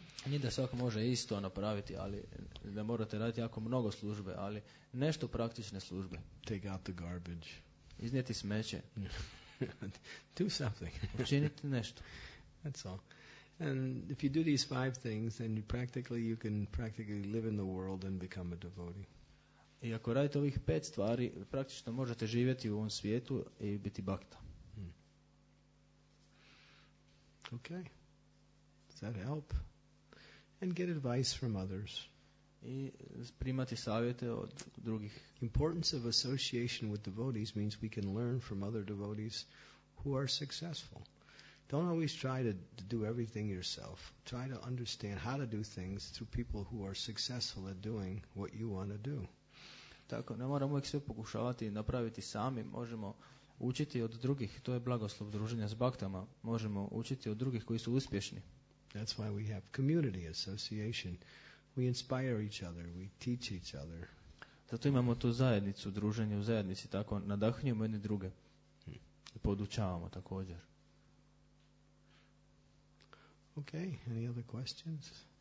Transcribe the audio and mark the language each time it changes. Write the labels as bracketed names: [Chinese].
[Croatian] Nije da svako može isto napraviti, ali da morate raditi jako mnogo službe, ali nešto praktične službe. [English] Take out the garbage. [Croatian] Iznijeti smeće. [English] Do something. [Croatian] Učinite nešto. [English] That's all. And if you do these five things, then you can practically live in the world and become a devotee. [Croatian] I ako radite ovih pet stvari, praktično možete živjeti u ovom svijetu i biti bhakta. [English] Okay. Does that help? And get advice from others. [Croatian] I primati savjete od drugih. [English] Importance of association with devotees means we can learn from other devotees who are successful. Don't always try to do everything yourself. Try to understand how to do things through people who are successful at doing what you want to do. [Croatian] Tako, ne moramo uvijek sve pokušavati napraviti sami. Možemo učiti od drugih. To je blagoslov druženja s baktama. Možemo učiti od drugih koji su uspješni. [English] That's why we have community association. We inspire each other, we teach each other. [Croatian] Zato imamo tu zajednicu, druženje u zajednici, tako nadahnjujemo jedne druge. I podučavamo također. [English] Okay, any other questions?